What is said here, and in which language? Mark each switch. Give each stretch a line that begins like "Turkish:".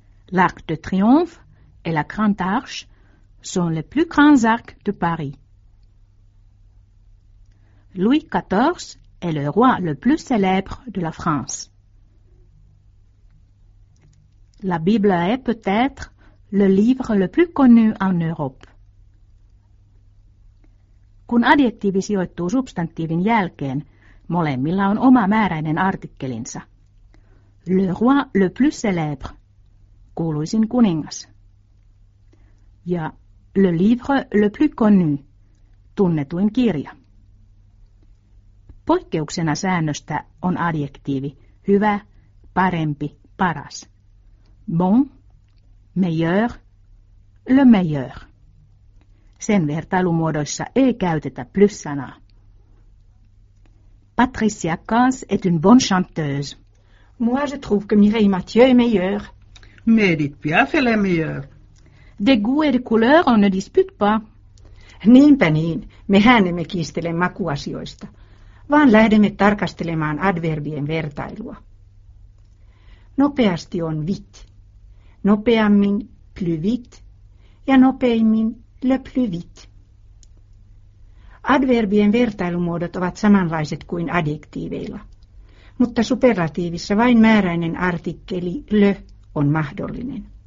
French: L'Arc de Triomphe et la Grande Arche sont les plus grands arcs de Paris. Louis XIV est le roi le plus célèbre de la France. La Bible est peut-être le livre le plus connu en Europe.
Finnish: Kun adjektiivi sijoittuu substantiivin jälkeen, molemmilla on oma määräinen artikkelinsa.
French: Le roi le plus célèbre, kuuluisin kuningas. Ja le livre le plus connu, tunnetuin kirja.
Finnish: Poikkeuksena säännöstä on adjektiivi hyvä, parempi, paras.
French: Bon, meilleur, le meilleur.
Finnish: Sen vertailumuodoissa ei käytetä plus-sanaa.
French: Patricia Cas est une bonne chanteuse. Moi, je trouve que Mireille Mathieu est meilleure. Mérite Piaf est la meilleure. Des goûts et des couleurs, on ne dispute pas.
Finnish: Niinpä niin, mehän emme kiistele makuasioista, vaan lähdemme tarkastelemaan adverbien vertailua. Nopeasti on vit. Nopeammin, plus vit. Ja nopeimmin, le plus vite. Adverbien vertailumuodot ovat samanlaiset kuin adjektiiveilla, mutta superlatiivissa vain määräinen artikkeli le on mahdollinen.